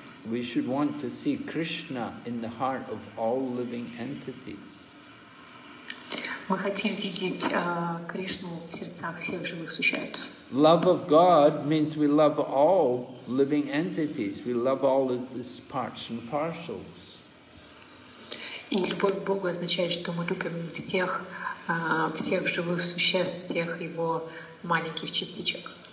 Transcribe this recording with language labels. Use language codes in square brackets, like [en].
[en] We should want to see Krishna in the heart of all living entities. [ru] Мы хотим видеть Кришну в сердцах всех живых существ. [en] Love of God means we love all living entities. We love all of these parts and partials. [ru] И любовь к Богу означает, что мы любим всех всех живых существ, всех его маленьких частичек.